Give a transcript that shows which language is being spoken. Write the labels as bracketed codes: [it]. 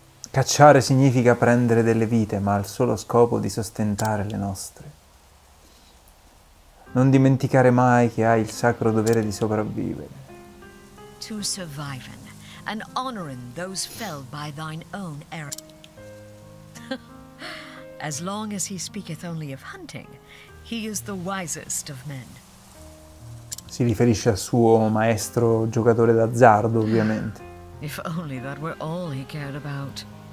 [it] Cacciare significa prendere delle vite, ma al solo scopo di sostentare le nostre. Non dimenticare mai che hai il sacro dovere di sopravvivere. [en] To survive. And honoring those felled by thine own arrow. As long as he speaketh only of hunting, he is the wisest of men. [it] Si riferisce al suo maestro giocatore d'azzardo, ovviamente. [en] If only that were all he cared about.